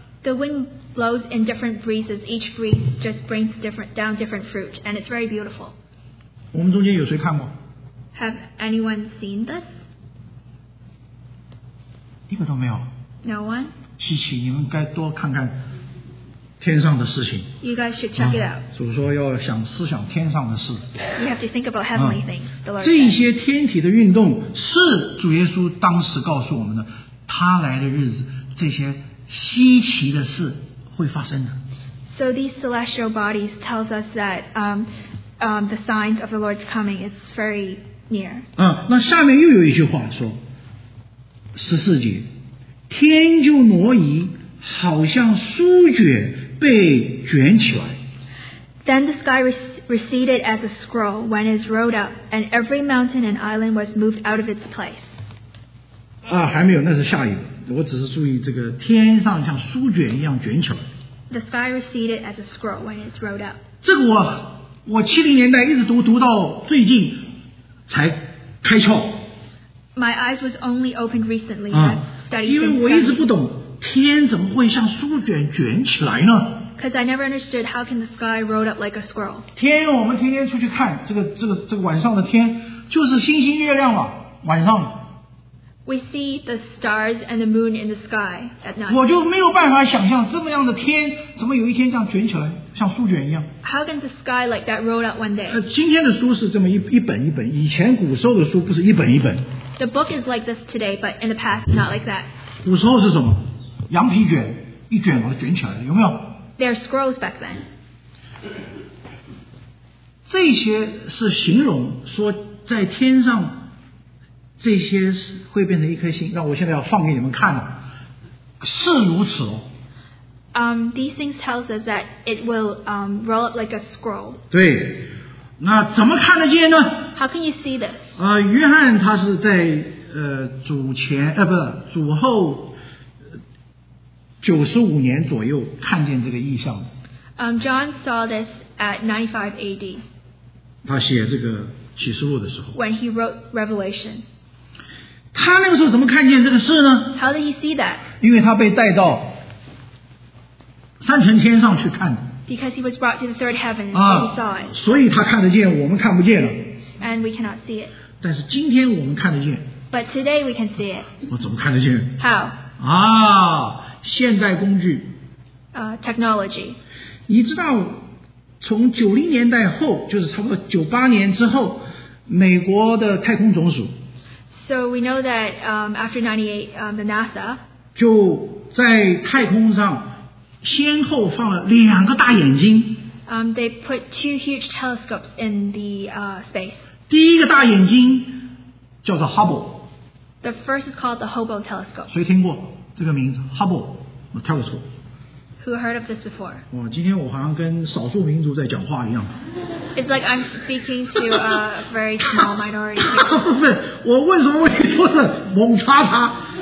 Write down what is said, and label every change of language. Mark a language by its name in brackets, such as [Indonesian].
[English] The wind blows in different breezes. Each breeze just brings down different fruit, and it's very beautiful. [Chinese] 我们中间有谁看过？ [English] Have anyone seen this? [Chinese] 一个都没有。 [English] No one? [Chinese] 稀奇，你们该多看看天上的事情。 [English] You guys should check it out. [Chinese] 主说要想思想天上的事。 [English] You have to think about heavenly things. The Lord [Chinese] 这些天体的运动是主耶稣当时告诉我们的，他来的日子，这些稀奇的事会发生的。 [English] So these celestial bodies tells us that the signs of the Lord's coming is very near. [Chinese] 那下面又有一句话说，十四节。天就挪移，好像书卷被卷起来。 [English] Then the sky receded as a scroll when it is rolled up, and every mountain and island was moved out of its place. [Chinese] 还没有，那是下一个。我只是注意这个天上像书卷一样卷起来。 [English] The sky receded as a scroll when it is rolled up. [Chinese] 这个我70年代一直读到最近才开窍。 [English] My eyes was only opened recently. [Chinese] 因为我一直不懂天怎么会像书卷卷起来呢 [English] ？Because I never understood how can the sky roll up like a squirrel. [Chinese] 天，我们天天出去看这个晚上的天，就是星星月亮了。晚上。 [English] We see the stars and the moon in the sky at night. [Chinese] 我就没有办法想象这么样的天怎么有一天这样卷起来，像书卷一样。 [English] How can the sky like that roll up one day? [Chinese] 今天的书是这么一本一本，以前古时候的书不是一本一本。 [English] The book is like this today, but in the past, not like that. [Chinese] 古时候是什么？羊皮卷，一卷把它卷起来了，有没有 [English] ？There are scrolls back then. [Chinese] 这些是形容说在天上，这些会变成一颗星。那我现在要放给你们看了，是如此哦。 [English] These things tells us that it will roll up like a scroll. [Chinese] 对。那怎么看得见呢 [English] ？How can you see this？ [Chinese] 约翰他是在主后95年左右看见这个异象。 [English] John saw this at 95 A.D. [Chinese] 他写这个启示录的时候。 [English] When he wrote Revelation。 [Chinese] 他那个时候怎么看见这个事呢 [English] ？How did he see that？ [Chinese] 因为他被带到三层天上去看。 [English] Because he was brought to the third heaven, and he saw it. [Chinese] 所以他看得见，我们看不见了。 [English] And we cannot see it. [Chinese] 但是今天我们看得见。 [English] But today we can see it. [Chinese] 我怎么看得见 [English] ？How? [Chinese] 现代工具。 [English] Technology. [Chinese] 你知道，从90年代后，就是差不多98年之后，美国的太空总署。 [English] So we know that after 98, the NASA. [Chinese] 就在太空上。先后放了两个大眼睛。 [English] They put two huge telescopes in the space. [Chinese] 第一个大眼睛叫做 Hubble. [English] The first is called the Hubble telescope. [Chinese] 谁听过这个名字 Hubble telescope? [English] Who heard of this before? [Chinese] 哇，今天我好像跟少数民族在讲话一样。 [English] It's like I'm speaking to a very small minority. [Chinese] 不是，我问什么问题都是蒙叉叉。